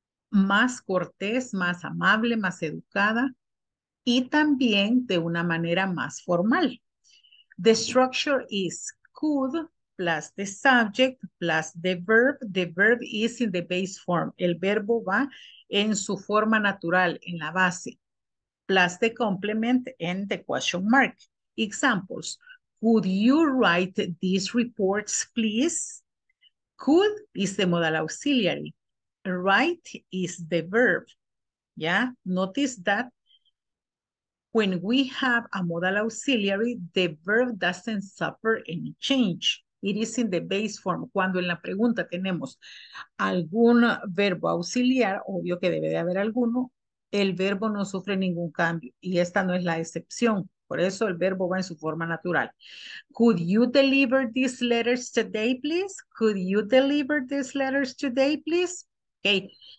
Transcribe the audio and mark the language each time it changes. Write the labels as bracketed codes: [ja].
[es] más cortés, más amable, más educada y también de una manera más formal. [en] The structure is could plus the subject plus the verb. The verb is in the base form. [es] El verbo va en su forma natural, en la base, [en] plus the complement and the question mark. Examples: could you write these reports, please? Could is the modal auxiliary. Write is the verb. Yeah, notice that when we have a modal auxiliary, the verb doesn't suffer any change. It is in the base form. [es] Cuando en la pregunta tenemos algún verbo auxiliar, obvio que debe de haber alguno, el verbo no sufre ningún cambio. Y esta no es la excepción. Por eso el verbo va en su forma natural. [en] Could you deliver these letters today, please? Could you deliver these letters today, please? Okay.